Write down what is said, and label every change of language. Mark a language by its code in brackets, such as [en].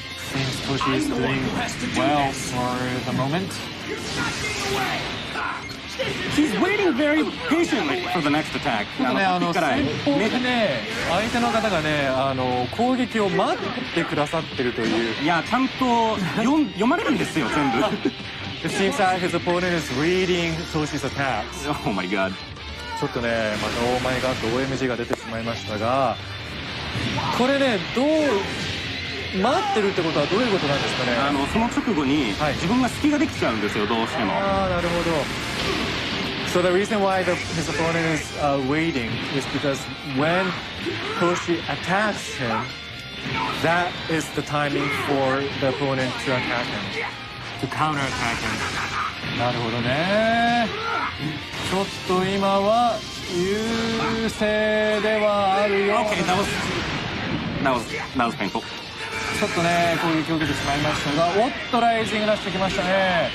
[en] Seems Toshi is doing well for the moment. He's waiting very patiently for the next attack. [ja] ね、先方でね、相手の方がね、攻撃を待ってくださってるという。いや、ちゃんと読まれるんですよ、全部。 [en] It seems that his opponent is reading Toshi's attacks. Oh my god. [ja] ちょっとね、またオーマイガッド OMG が出てしまいましたが、これね、どう待ってるってことはどういうことなんですかね。あのその直後に自分が隙ができちゃうんですよ、どうしても。あー、なるほど。 [en] So the reason why his opponent is waiting is because when Toshi attacks him, that is the timing for the opponent to attack him. To counter-attack him. [ja] なるほどね。ちょっと今は優勢ではあるよ。 [en] OK, that was painful. [ja] ちょっとね、攻撃を受けてしまいましたが、おっと、ライジング出してきましたね。